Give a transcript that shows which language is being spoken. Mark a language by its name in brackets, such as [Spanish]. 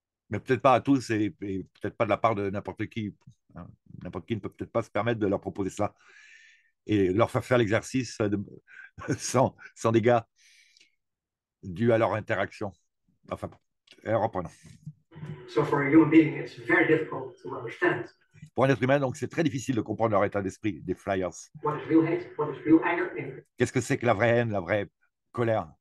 [French] Mais peut-être pas à tous et peut-être pas de la part de n'importe qui. N'importe qui ne peut peut-être pas se permettre de leur proposer ça et leur faire faire l'exercice sans dégâts dus à leur interaction. Enfin, reprenons. [English] So for a human being, it's very difficult to understand. [French] Pour un être humain, donc, c'est très difficile de comprendre leur état d'esprit, des flyers. [English] What is real hate? What is real anger? [French] Qu'est-ce que c'est que la vraie haine, la vraie colère?